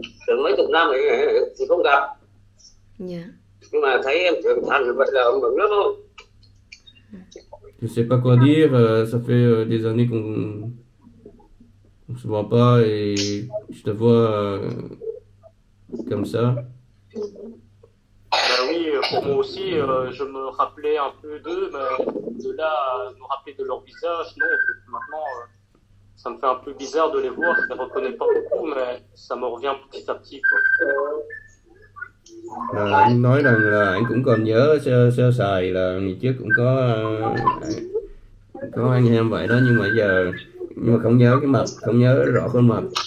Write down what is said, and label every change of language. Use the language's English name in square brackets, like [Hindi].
[Vietnamese] Từ mấy chục năm rồi thì không gặp. Yeah. Nhưng mà thấy em trưởng thành bắt đầu mừng lắm không? [French] Je sais pas quoi dire, ça fait des années qu'on... On se voit pas et je te vois comme ça. Ben oui, pour moi aussi, je me rappelais un peu d'eux, mais de là, me rappeler de leur visage, non. Maintenant, ça me fait un peu bizarre de les voir, je ne les reconnais pas beaucoup, mais ça me revient petit à petit. [Vietnamese] Anh nói rằng là anh cũng còn nhớ sơ sài là ngày trước cũng có anh em vậy đó, nhưng mà giờ... Nhưng mà không nhớ cái mặt, không nhớ rõ khuôn mặt.